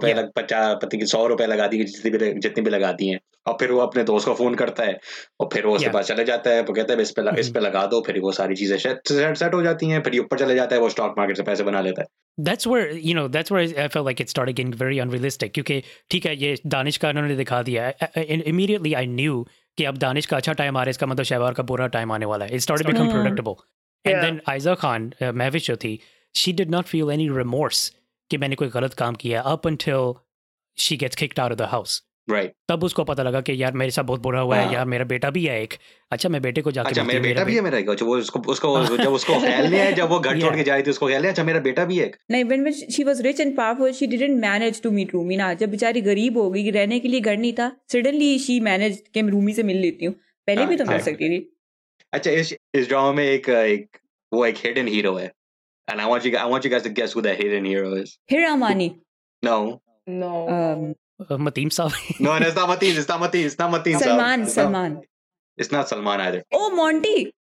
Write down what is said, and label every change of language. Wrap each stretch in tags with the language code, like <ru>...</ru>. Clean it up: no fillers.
<hi>जितनी भी लगा दी है और फिर वो अपने दोस्त को फोन करता है और फिर वो उसके पास चले जाता है, वो कहता है इस पे लगा दो, फिर वो सारी चीजें सेट हो जाती है, फिर ऊपर चले जाता है, वो स्टॉक मार्केट से पैसे बना लेता है।</hi> <en>That's where I felt like it started getting very unrealistic.</en> <hi>क्योंकि ठीक है ये दानिश का उन्होंने दिखा दिया,</hi> <en>immediately I knew</en> <hi>कि अब दानिश का अच्छा टाइम आ रहा है, इसका मतलब शहबार का बुरा टाइम आने वाला है।</hi> <en>It started to become predictable. And then Aiza Khan, Mahwish जो थी, she did not feel any remorse</en> <hi>कि मैंने कोई गलत काम किया</hi> <en>up until she gets kicked out of the house. Right.</en> <hi>तब उसको पता लगा कि यार मेरे साथ बहुत बुरा हुआ है, यार मेरा बेटा भी है एक, अच्छा मैं बेटे को जाके अच्छा मेरा बेटा भी है मेरा, जो उसको खेलने है, जब वो घर छोड़ के जा रही थी उसको खेलने, अच्छा मेरा बेटा भी है एक। नहीं,</hi> <en>when she was rich and powerful, she didn't manage to meet Rumi</en> <hi>ना, जब बेचारी गरीब हो गई, रहने के लिए घर नहीं था, suddenly she managed के मैं रूमी से मिल लेती हूँ, पहले भी तो मिल सकती थी। अच्छा इस ड्रामा में एक हिडन हीरो है,</hi> <en>and I want you guys to guess who that hidden hero is. Hiramani. No. Mateem Saab. No, it's not Mateem. Salman. It's not Salman either. Oh, Monty.</en>